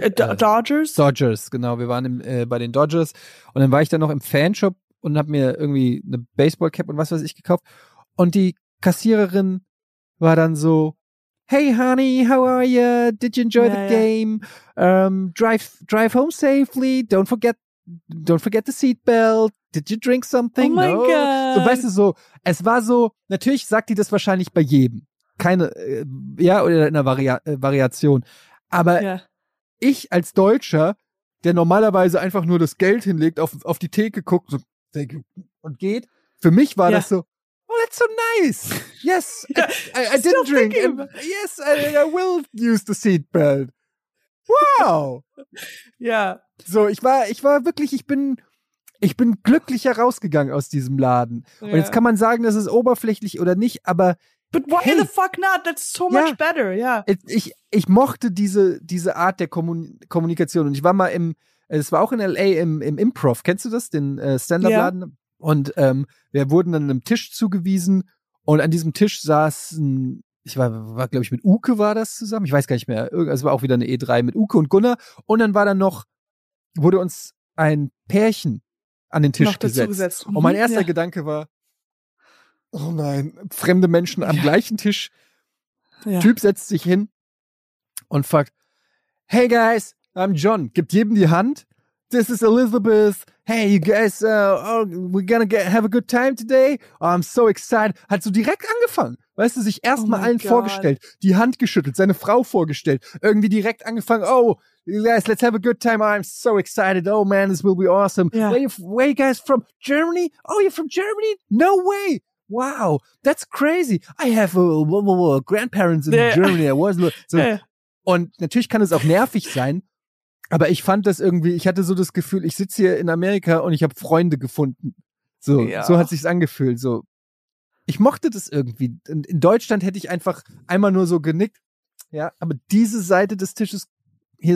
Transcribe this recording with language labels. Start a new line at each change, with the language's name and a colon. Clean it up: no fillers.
German: Dodgers? Dodgers, genau. Wir waren bei den Dodgers und dann war ich da noch im Fanshop und habe mir irgendwie eine Baseballcap und was weiß ich gekauft und die Kassiererin war dann so,
English: hey honey, how are you? Did you enjoy the game? Drive home safely. Don't forget the seatbelt. Did you drink something?
German: Oh mein Gott. So, weißt du, so, es war so, natürlich sagt die das wahrscheinlich bei jedem. Oder in einer Variation. Aber ich als Deutscher, der normalerweise einfach nur das Geld hinlegt, auf die Theke guckt so, und geht, für mich war das so,
English: oh, that's so nice. Yes, I didn't drink. Yes, I will use the seatbelt. Wow.
German: Ja. So, ich bin glücklicher rausgegangen aus diesem Laden. Yeah. Und jetzt kann man sagen, das ist oberflächlich oder nicht, aber
English: but why the fuck not? That's so much better. Ja. Yeah.
German: Ich mochte diese Art der Kommunikation. Und ich war mal es war auch in L.A. im Improv. Kennst du das, den Stand-Up-Laden? Yeah. Und wir wurden dann einem Tisch zugewiesen und an diesem Tisch saßen, ich war glaube ich mit Uke war das zusammen, ich weiß gar nicht mehr, es war auch wieder eine E3 mit Uke und Gunnar und dann war dann noch, wurde uns ein Pärchen an den Tisch gesetzt. Und mein erster Gedanke war, oh nein, fremde Menschen am gleichen Tisch. Ja. Typ setzt sich hin und fragt,
English: hey guys, I'm John,
German: gibt jedem die Hand.
English: This is Elizabeth. Hey, you guys, we're gonna have a good time today. Oh, I'm so excited. Hat so direkt angefangen. Weißt du, sich erstmal allen vorgestellt, die Hand geschüttelt, seine Frau vorgestellt, irgendwie direkt angefangen. Oh, guys, let's have a good time. I'm so excited. Oh man, this will be awesome. Yeah. Where are you guys from? Germany? Oh, you're from Germany? No way. Wow, that's crazy. I have grandparents in Germany.
German: Und natürlich kann es auch nervig sein. Aber ich fand das irgendwie, ich hatte so das Gefühl, ich sitze hier in Amerika und ich habe Freunde gefunden. So hat sich's angefühlt. So, ich mochte das irgendwie. In Deutschland hätte ich einfach einmal nur so genickt. Ja, aber diese Seite des Tisches hier